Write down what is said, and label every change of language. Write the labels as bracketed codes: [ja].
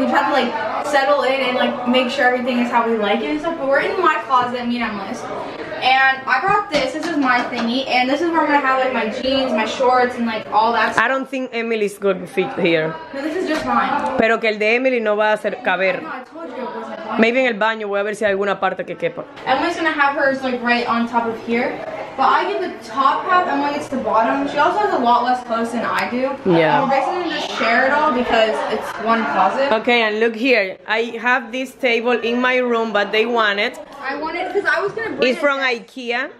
[en] We've had to like settle in and like make sure everything is how we like it and stuff. But we're in my closet, me and Emily's. And I brought this. This is my thingy, and this is where I'm gonna have like my jeans, my shorts, and like all that stuff. I don't think Emily's gonna fit here. No, this is just mine. [es] Pero que el de Emily no va a ser caber. [en] No, I told you it wasn't mine. Maybe [es] en el baño voy a ver si hay alguna parte que quepa. [en] Emily's gonna have hers like right on top of here. But I get the top half, and when it's the bottom, she also has a lot less clothes than I do. Yeah. And we're basically gonna just share it all because it's one closet. Okay, and look here. I have this table in my room, but they want it. I want it because I was gonna bring it. It's from IKEA.